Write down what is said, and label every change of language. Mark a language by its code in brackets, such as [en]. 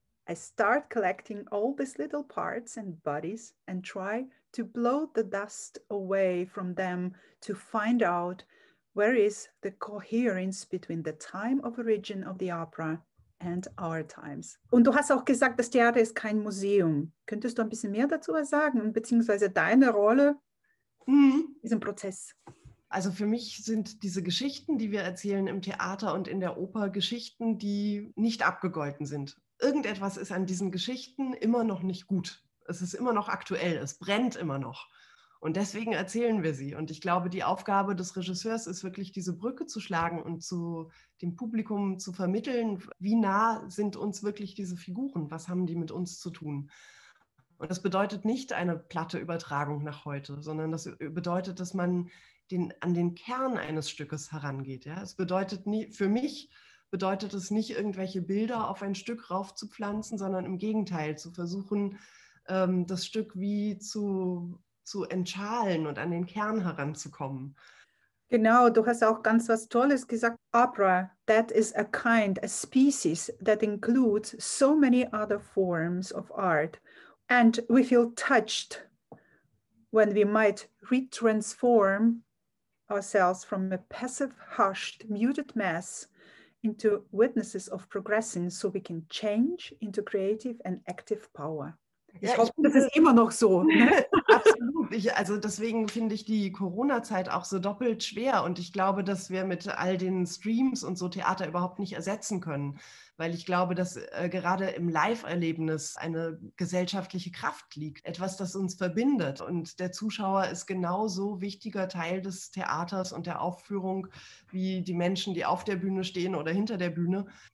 [en] I start collecting all these little parts and bodies and try to blow the dust away from them to find out where is the coherence between the time of origin of the opera and our times. [de] Und du hast auch gesagt, das Theater ist kein Museum. Könntest du ein bisschen mehr dazu was sagen, beziehungsweise deine Rolle in diesem Prozess? Also für mich sind diese Geschichten, die wir erzählen im Theater und in der Oper, Geschichten, die nicht abgegolten sind. Irgendetwas ist an diesen Geschichten immer noch nicht gut. Es ist immer noch aktuell, es brennt immer noch. Und deswegen erzählen wir sie. Und ich glaube, die Aufgabe des Regisseurs ist wirklich, diese Brücke zu schlagen und zu dem Publikum zu vermitteln, wie nah sind uns wirklich diese Figuren? Was haben die mit uns zu tun? Und das bedeutet nicht eine platte Übertragung nach heute, sondern das bedeutet, dass man an den Kern eines Stückes herangeht. Ja? Es bedeutet nie, für mich bedeutet es nicht, irgendwelche Bilder auf ein Stück raufzupflanzen, sondern im Gegenteil, zu versuchen, das Stück wie zu entschalen und an den Kern heranzukommen. Genau, du hast auch ganz was Tolles gesagt. [en] Opera, that is a kind, a species that includes so many other forms of art. And we feel touched when we might retransform ourselves from a passive, hushed, muted mass into witnesses of progressing, so we can change into creative and active power. [de] Ich hoffe, das ist immer noch so. Absolut. Also deswegen finde ich die Corona-Zeit auch so doppelt schwer. Und ich glaube, dass wir mit all den Streams und so Theater überhaupt nicht ersetzen können. Weil ich glaube, dass gerade im Live-Erlebnis eine gesellschaftliche Kraft liegt. Etwas, das uns verbindet. Und der Zuschauer ist genauso wichtiger Teil des Theaters und der Aufführung wie die Menschen, die auf der Bühne stehen oder hinter der Bühne.